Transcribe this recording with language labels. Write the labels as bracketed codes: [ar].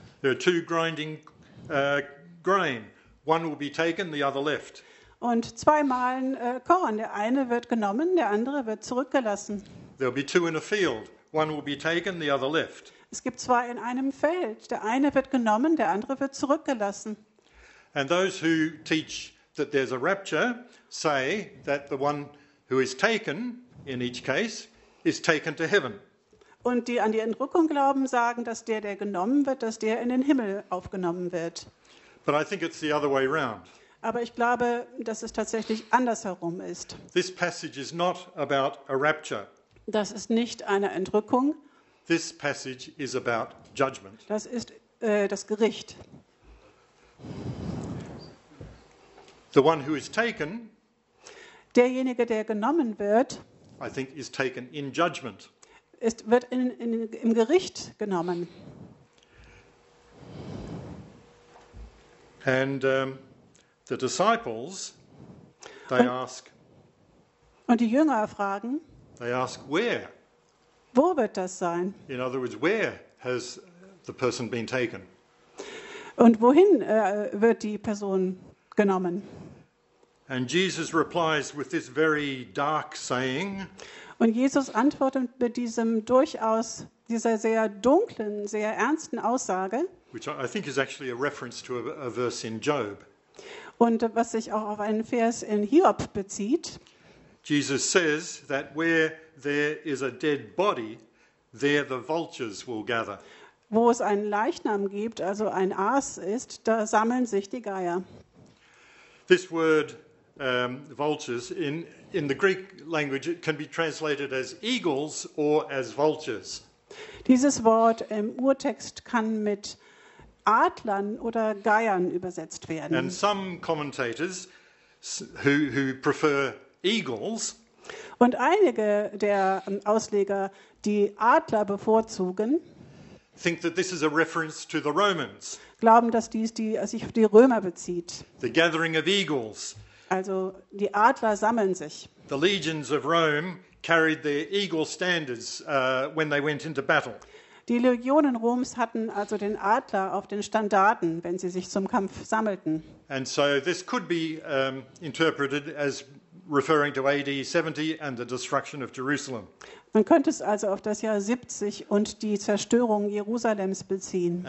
[en] There are two grinding grain. One will be taken, the other left. [de] Und zwei Mahlen Korn. Der eine wird genommen, der andere wird zurückgelassen. [en] There'll be two in a field. One will be taken, the other left. [de] Es gibt zwei in einem Feld. Der eine wird genommen, der andere wird zurückgelassen. [en] And those who teach that there's a rapture say that the one who is taken in each case is taken to heaven. [de] Und die an die Entrückung glauben, sagen, dass der genommen wird, dass der in den Himmel aufgenommen wird. [en] But I think it's the other way around. [de] Aber ich glaube, dass es tatsächlich andersherum ist. [en] This passage is not about a rapture. [de] Das ist nicht eine Entrückung. [en] This passage is about judgment. [de] Das ist das Gericht. [en] The one who is taken, [de] derjenige, der genommen wird, [en] I think is taken in judgment. [de] Ist, wird im Gericht genommen. [en] And the disciples, they ask. [de] Und die Jünger fragen. [en] They ask where. [de] Wo wird das sein? [en] In other words, where has the person been taken? [de] Und wohin wird die Person genommen? [en] And Jesus replies with this very dark saying. [de] Und Jesus antwortet mit dieser sehr dunklen, sehr ernsten Aussage. [en] Which I think is actually a reference to a verse in Job. [de] Und was sich auch auf einen Vers in Hiob bezieht. [en] Jesus says that where there is a dead body, there the vultures will gather. [de] Wo es einen Leichnam gibt, also ein Aas ist, da sammeln sich die Geier. [en] This word vultures in the Greek language it can be translated as eagles or as vultures. [de] Dieses Wort im Urtext kann mit Adlern oder Geiern übersetzt werden. [en] And some commentators who prefer eagles. [de] Und einige der Ausleger, die Adler bevorzugen, [en] think that this is a reference to the Romans. [de] Glauben, dass dies die, sich auf die Römer bezieht. [en] The gathering of eagles. [de] Also die Adler sammeln sich. [en] The legions of Rome carried their eagle standards when they went into battle. [de] Die Legionen Roms hatten also den Adler auf den Standarten, wenn sie sich zum Kampf sammelten. [en] And so this could be interpreted as referring to AD 70 and the destruction of Jerusalem. [de] Man könnte es also auf das Jahr 70 und die Zerstörung Jerusalems beziehen.